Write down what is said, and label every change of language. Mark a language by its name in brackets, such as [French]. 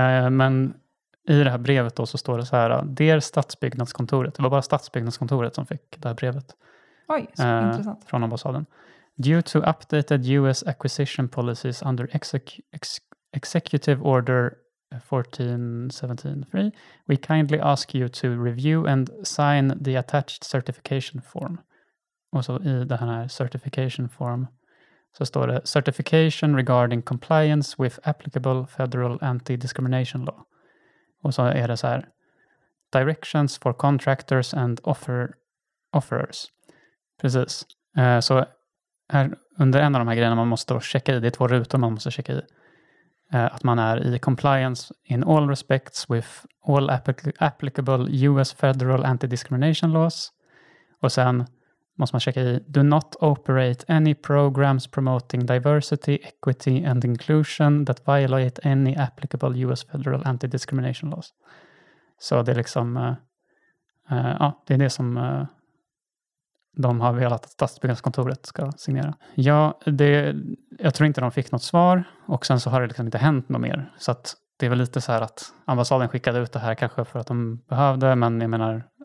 [Swedish] Men i det här brevet då så står det så här, det är stadsbyggnadskontoret. Det var bara stadsbyggnadskontoret som fick det här brevet. Oj, så intressant. Från ambassaden. [English] Due to updated US acquisition policies under Executive Order 14173, we kindly ask you to review and sign the attached certification form. [Swedish] Och så i den här certification form så står det [English] certification regarding compliance with applicable federal anti-discrimination law. [Swedish] Och så är det så här, [English] directions for contractors and offerers. [Swedish] Precis. Så här under en av de här grejerna man måste då checka i, det är två rutor man måste checka i. Att man är i [English] compliance in all respects with all applicable US federal anti-discrimination laws. [Swedish] Och sen måste man checka i, [English] do not operate any programs promoting diversity, equity and inclusion that violate any applicable US federal anti-discrimination laws. [Swedish] Så det är liksom, ja, det är det som de har velat att stadsbyggnadskontoret ska signera. Ja, det, jag tror inte de fick något svar. Och sen så har det liksom inte hänt något mer. Så att det är väl lite så här att ambassaden skickade ut det här kanske för att de behövde. Men jag menar,